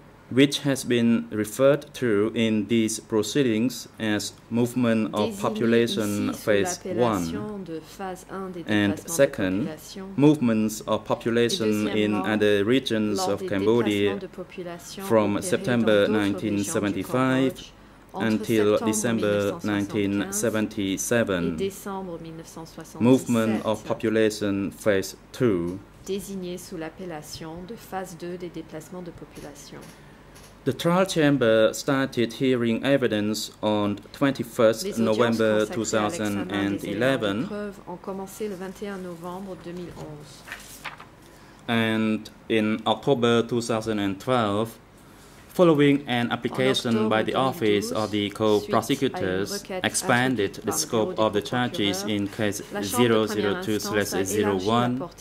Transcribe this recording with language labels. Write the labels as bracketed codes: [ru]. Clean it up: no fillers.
[en] which has been referred to in these proceedings as movement of population phase 1, and second, movements of population in other regions of Cambodia from September 1975 until December 1977, movement of population phase 2, [fr] désigné sous l'appellation de phase 2 des déplacements de population. [en] The trial chamber started hearing evidence on 21st November 2011, and in October 2012, following an application by the Office of the Co-Prosecutors, expanded the scope of the charges in case 002/01